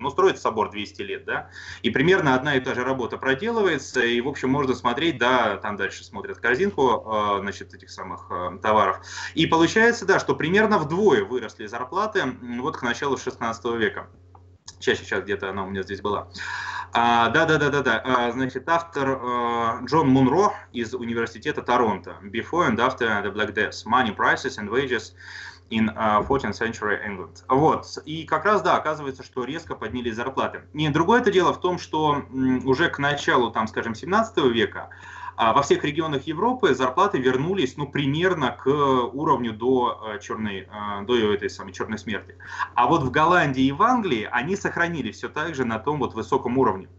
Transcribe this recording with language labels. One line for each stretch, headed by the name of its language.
Russian: Ну, строится собор 200 лет, да, и примерно одна и та же работа проделывается, и в общем можно смотреть, да, там дальше смотрят корзинку, значит, этих самых товаров. И получается, да, что примерно вдвое выросли зарплаты вот к началу 16 века. Сейчас где-то она у меня здесь была. Значит, автор Джон Мунро из университета Торонто.
English: Before and after the Black Death. Money, prices and wages in 14th century England.
Russian: Вот. И как раз, да, оказывается, что резко поднялись зарплаты. И другое это дело в том, что уже к началу, там, скажем, 17 века во всех регионах Европы зарплаты вернулись, ну, примерно к уровню до этой самой черной смерти. А вот в Голландии и в Англии они сохранили все так же на том вот высоком уровне.